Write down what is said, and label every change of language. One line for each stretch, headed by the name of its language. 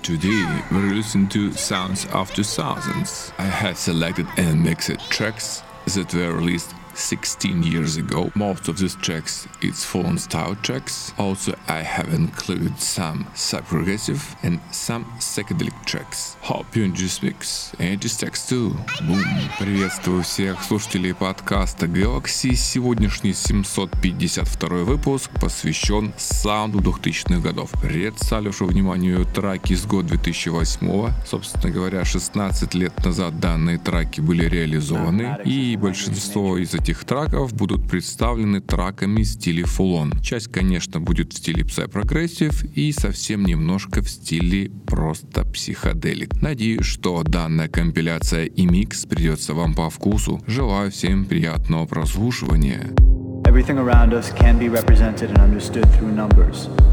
English: Today we're listening to Sounds of 2000s. I have selected and mixed tracks that were released 16 years ago. Most of these tracks is fallen style tracks. Also, I have included some subprogressive and some psychedelic tracks. Hope you enjoy this mix. And this track too. Boom.
Russian: Приветствую всех слушателей подкаста Galaxy. Сегодняшний 752 выпуск посвящен саунду 2000-х годов. Представлю вашему вниманию треки с года 2008. Собственно говоря, 16 лет назад данные треки были реализованы, и большинство из этих треков будут представлены треками в стиле фулон. Часть, конечно, будет в стиле псай-прогрессив и совсем немножко в стиле просто психоделик. Надеюсь, что данная компиляция и микс придется вам по вкусу. Желаю всем приятного прослушивания.
English: Everything around us can be represented and understood through numbers.